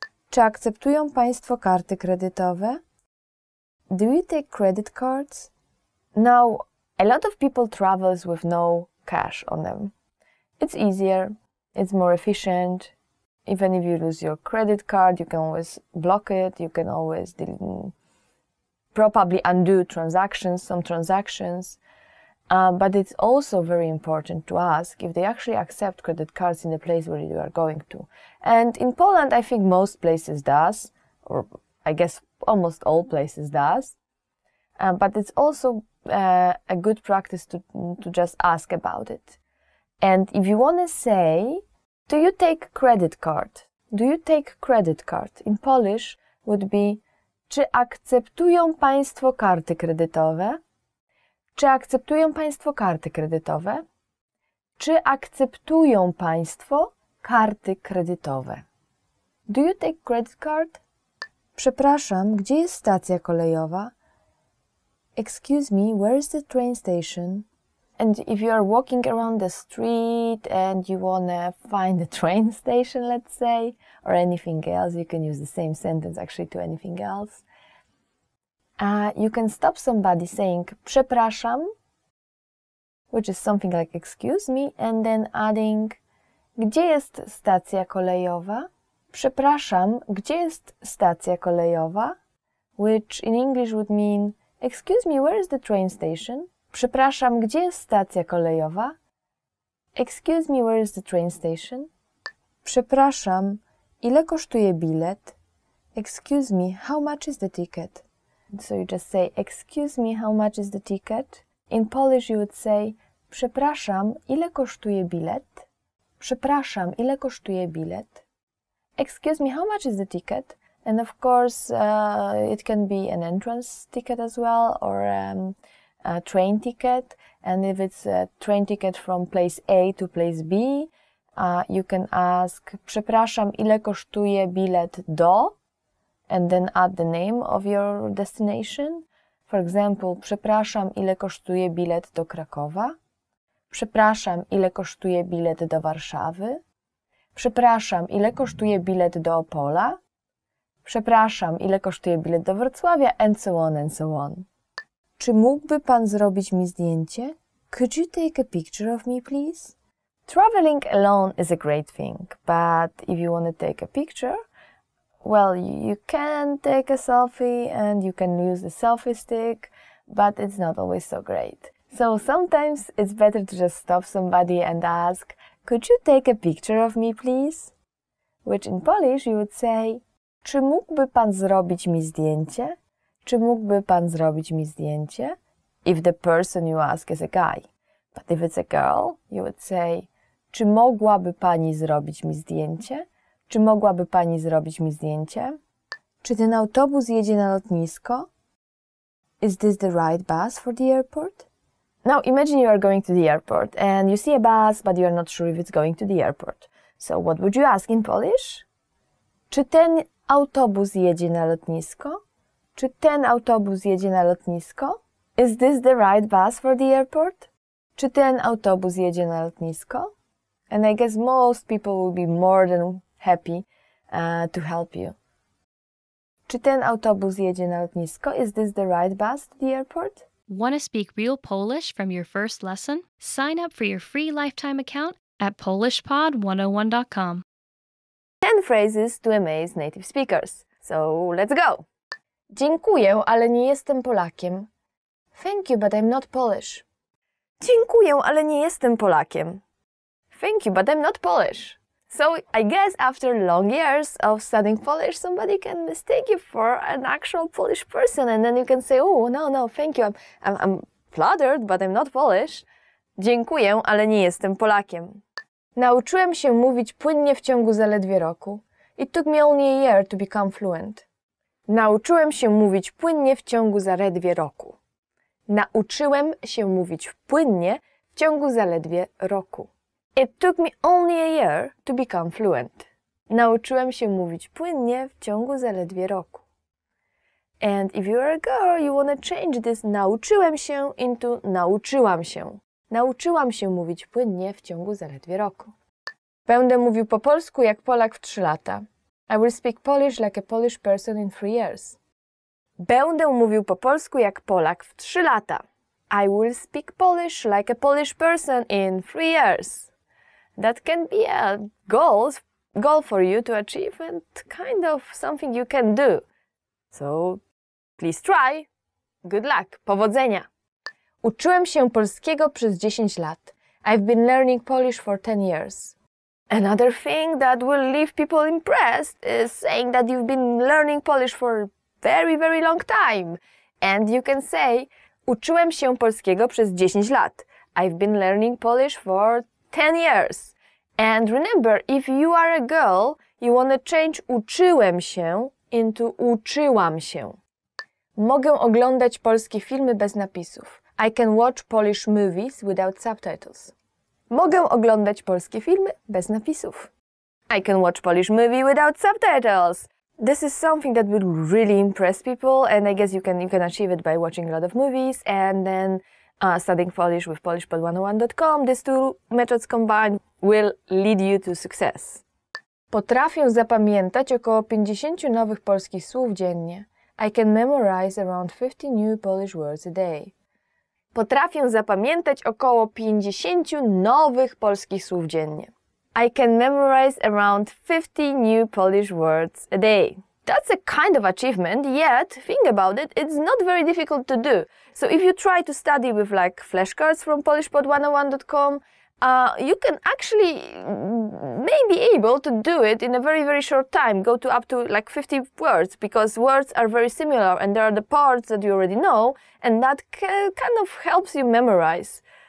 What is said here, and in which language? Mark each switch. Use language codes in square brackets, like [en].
[pl] Czy akceptują Państwo karty kredytowe? [en] Do you take credit cards? Now, a lot of people travel with no cash on them. It's easier, it's more efficient. Even if you lose your credit card, you can always block it, you can always probably undo transactions, some transactions. But it's also very important to ask if they actually accept credit cards in the place where you are going to. And in Poland, I think most places does, or I guess almost all places does. But it's also a good practice to just ask about it. And if you want to say, do you take credit card? Do you take credit card? In Polish would be, [pl] czy akceptują Państwo karty kredytowe? Czy akceptują Państwo karty kredytowe? Czy akceptują Państwo karty kredytowe? [en] Do you take credit card? [pl] Przepraszam, gdzie jest stacja kolejowa? [en] Excuse me, where is the train station? And if you are walking around the street and you want to find a train station, let's say, or anything else, you can use the same sentence actually to anything else. You can stop somebody saying przepraszam, which is something like excuse me, and then adding [pl] gdzie jest stacja kolejowa? Przepraszam, gdzie jest stacja kolejowa? [en] Which in English would mean excuse me, where is the train station? [pl] Przepraszam, gdzie jest stacja kolejowa? [en] Excuse me, where is the train station? [pl] Przepraszam, ile kosztuje bilet? [en] Excuse me, how much is the ticket? So you just say, excuse me, how much is the ticket? In Polish you would say, [pl] przepraszam, ile kosztuje bilet? Przepraszam, ile kosztuje bilet? [en] Excuse me, how much is the ticket? And of course, it can be an entrance ticket as well, or a train ticket. And if it's a train ticket from place A to place B, you can ask, [pl] przepraszam, ile kosztuje bilet do? [en] And then add the name of your destination. For example, [pl] przepraszam, ile kosztuje bilet do Krakowa? Przepraszam, ile kosztuje bilet do Warszawy? Przepraszam, ile kosztuje bilet do Opola? Przepraszam, ile kosztuje bilet do Wrocławia? [en] And so on, and so on. [pl] Czy mógłby pan zrobić mi zdjęcie? [en] Could you take a picture of me, please? Traveling alone is a great thing, but if you want to take a picture, well, you can take a selfie and you can use the selfie stick, but it's not always so great. So sometimes it's better to just stop somebody and ask, could you take a picture of me, please? Which in Polish you would say, [pl] czy mógłby pan zrobić mi zdjęcie? Czy mógłby pan zrobić mi zdjęcie? [en] If the person you ask is a guy. But if it's a girl, you would say, [pl] czy mogłaby pani zrobić mi zdjęcie? Czy mogłaby pani zrobić mi zdjęcie? Czy ten autobus jedzie na lotnisko? [en] Is this the right bus for the airport? Now imagine you are going to the airport and you see a bus, but you are not sure if it's going to the airport. So what would you ask in Polish? [pl] Czy ten autobus jedzie na lotnisko? Czy ten autobus jedzie na lotnisko? [en] Is this the right bus for the airport? [pl] Czy ten autobus jedzie na lotnisko? [en] And I guess most people will be more than happy to help you. [pl] Czy ten autobus jedzie na lotnisko? [en] Is this the right bus to the airport? Want to speak real Polish from your first lesson? Sign up for your free lifetime account at polishpod101.com. 10 phrases to amaze native speakers. So let's go! [pl] Dziękuję, ale nie jestem Polakiem. [en] Thank you, but I'm not Polish. [pl] Dziękuję, ale nie jestem Polakiem. [en] Thank you, but I'm not Polish. So, I guess after long years of studying Polish, somebody can mistake you for an actual Polish person, and then you can say, oh, no, no, thank you, I'm flattered, but I'm not Polish. [pl] Dziękuję, ale nie jestem Polakiem. Nauczyłem się mówić płynnie w ciągu zaledwie roku. [en] It took me only a year to become fluent. [pl] Nauczyłem się mówić płynnie w ciągu zaledwie roku. Nauczyłem się mówić płynnie w ciągu zaledwie roku. [en] It took me only a year to become fluent. [pl] Nauczyłem się mówić płynnie w ciągu zaledwie roku. [en] And if you are a girl, you want to change this [pl] nauczyłem się [en] into [pl] nauczyłam się. Nauczyłam się mówić płynnie w ciągu zaledwie roku. Będę mówił po polsku jak Polak w 3 lata. [en] I will speak Polish like a Polish person in 3 years. [pl] Będę mówił po polsku jak Polak w 3 lata. [en] I will speak Polish like a Polish person in 3 years. That can be a goal for you to achieve and kind of something you can do. So, please try. Good luck. Powodzenia. [pl] Uczyłem się polskiego przez 10 lat. [en] I've been learning Polish for 10 years. Another thing that will leave people impressed is saying that you've been learning Polish for very, very long time. And you can say, [pl] uczyłem się polskiego przez 10 lat. [en] I've been learning Polish for 10 years. And remember, if you are a girl, you want to change [pl] uczyłem się [en] into [pl] uczyłam się. Mogę oglądać polskie filmy bez napisów. [en] I can watch Polish movies without subtitles. [pl] Mogę oglądać polskie filmy bez napisów. [en] I can watch Polish movie without subtitles. This is something that would really impress people, and I guess you can achieve it by watching a lot of movies and then studying Polish with PolishPod101.com. These two methods combined will lead you to success. [pl] Potrafię zapamiętać około 50 nowych polskich słów dziennie. [en] I can memorize around 50 new Polish words a day. [pl] Potrafię zapamiętać około 50 nowych polskich słów dziennie. [en] I can memorize around 50 new Polish words a day. That's a kind of achievement, yet, think about it, it's not very difficult to do. So if you try to study with like flashcards from PolishPod101.com, you can actually maybe able to do it in a very, very short time, go to up to like 50 words, because words are very similar and there are the parts that you already know and that kind of helps you memorize.